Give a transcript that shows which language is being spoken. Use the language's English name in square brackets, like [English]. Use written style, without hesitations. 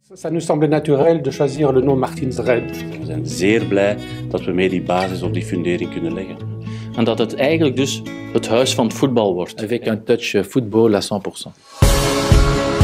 [French] Ça nous semblait naturel de choisir le nom Martins Red. [Dutch] We zijn zeer blij dat we mee die basis op die fundering kunnen leggen. En dat het eigenlijk dus het huis van het voetbal wordt. [French] Avec un touch football à 100%.